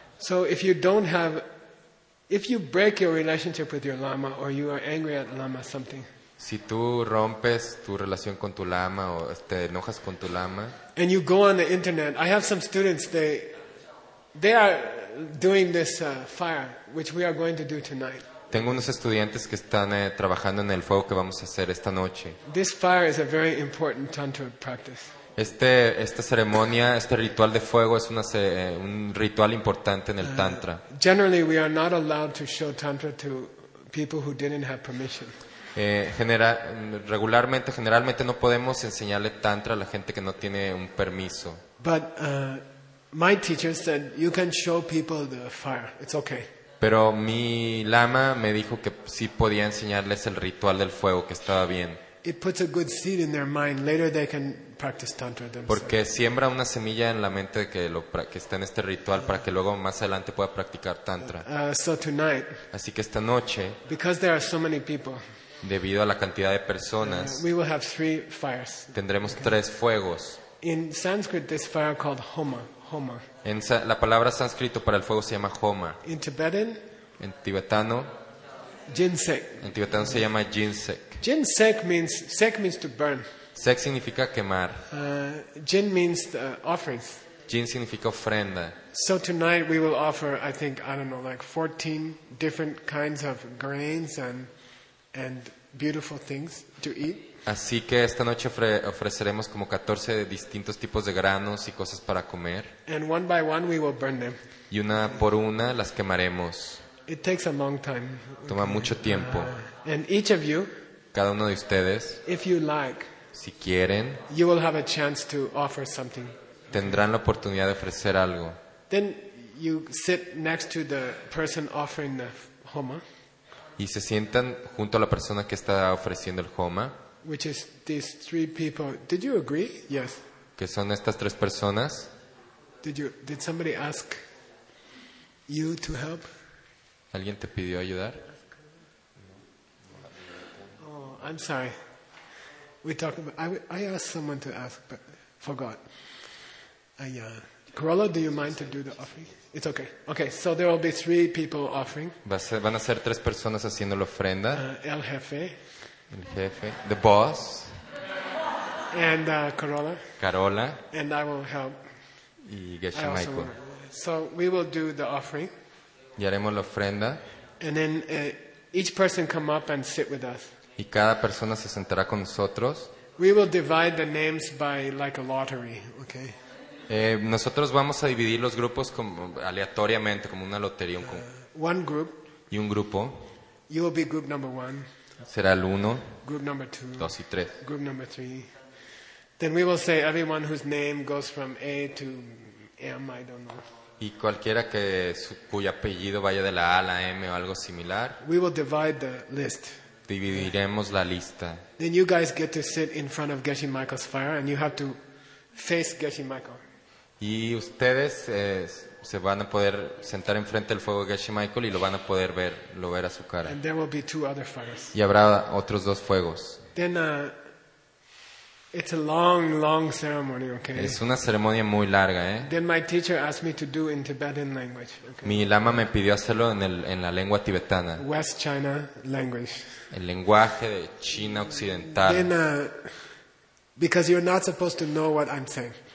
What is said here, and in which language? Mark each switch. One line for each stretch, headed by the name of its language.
English: So if you break your relationship with your lama or you are angry at lama something.
Spanish: Si tú rompes tu relación con tu lama o te enojas con tu lama.
English: And you go on the internet. I have some students they are doing this fire which we are going to do tonight.
Spanish: Tengo unos estudiantes que están trabajando en el fuego que vamos a hacer esta noche.
English: This fire is a very important tantra practice.
Spanish: Esta ceremonia, este ritual de fuego es un ritual importante en el tantra.
English: Generally, we are not allowed to show tantra to people who didn't have permission.
Spanish: Generalmente no podemos enseñarle tantra a la gente que no tiene un permiso.
English: But my teacher said you can show people the fire. It's okay.
Spanish: Pero mi lama me dijo que sí podía enseñarles el ritual del fuego, que estaba bien.
English: It puts a good seed in their mind. Later they can practice tantra themselves.
Spanish: Porque siembra una semilla en la mente de que está en este ritual para que luego más adelante pueda practicar tantra.
English: So tonight.
Spanish: Así que esta noche.
English: Because there are so many people.
Spanish: Debido a la cantidad de personas.
English: We will have three fires.
Spanish: Tendremos tres fuegos.
English: In Sanskrit, this fire called Homa. Homa.
Spanish: En la palabra sánscrito para el fuego se llama Homa.
English: In Tibetan.
Spanish: En tibetano.
Tibetan: Jinsek.
Spanish: En tibetano se llama Jinsek.
English: Jinsek means sek means to burn.
Spanish: Sek significa quemar.
English: Jin means the offerings.
Spanish: Jin significa ofrenda.
English: So tonight we will offer, I think, I don't know, like 14 different kinds of grains and beautiful things to eat.
Spanish: Así que esta noche ofreceremos como 14 distintos tipos de granos y cosas para comer.
English: And one by one we will burn them.
Spanish: Y una por una las quemaremos.
English: It takes a long time.
Spanish: Toma mucho tiempo.
English: And each of you.
Spanish: Cada uno de ustedes,
English: if you like,
Spanish: si quieren,
English: you will have a chance to offer something.
Spanish: Tendrán la oportunidad de ofrecer algo.
English: Then you sit next to the person offering the homa.
Spanish: Y se sientan junto a la persona que está ofreciendo el homa.
English: Which is these three people? Did you agree? Yes.
Spanish: Que son estas tres personas.
English: Did somebody ask you to help?
Spanish: ¿Alguien te pidió ayudar?
English: I'm sorry. We talked about. I asked someone to ask, but forgot. Corolla, do you mind to do the offering? It's okay. Okay, so there will be three people offering.
Spanish: Van a ser tres personas haciendo la ofrenda. El jefe. El jefe.
English: The boss. And Corolla.
Spanish: Carola.
English: And I will help.
Spanish: Y Geshe Michael.
English: So we will do the offering.
Spanish: Y haremos la ofrenda.
English: And then each person come up and sit with us.
Spanish: Y cada persona se sentará con nosotros.
English: We will divide the names by like a lottery, okay?
Spanish: Nosotros vamos a dividir los grupos como aleatoriamente, como una lotería.
English: One group.
Spanish: Y un grupo.
English: You will be group number one.
Spanish: Será el uno.
English: Group number two.
Spanish: Dos y tres.
English: Group number three. Then we will say everyone whose name goes from A to M, I don't know.
Spanish: Y cualquiera que cuyo apellido vaya de la A a la M o algo similar.
English: We will divide the list.
Spanish: Dividiremos la lista.
English: Then you guys get to sit in front of Geshe Michael's fire, and you have to face Geshe Michael.
Spanish: Y ustedes se van a poder sentar enfrente del fuego de Geshe Michael y lo van a poder ver, lo ver a su cara.
English: And there will be two other fires.
Spanish: Y habrá otros dos fuegos.
English: Then it's a long, long ceremony, okay?
Spanish: Es una ceremonia muy larga, ¿eh?
English: Then my teacher asked me to do in Tibetan language. Okay?
Spanish: Mi lama me pidió hacerlo en la lengua tibetana.
English: West China language.
Spanish: El lenguaje de China occidental.
English: Then, because you're not supposed to know what I'm saying.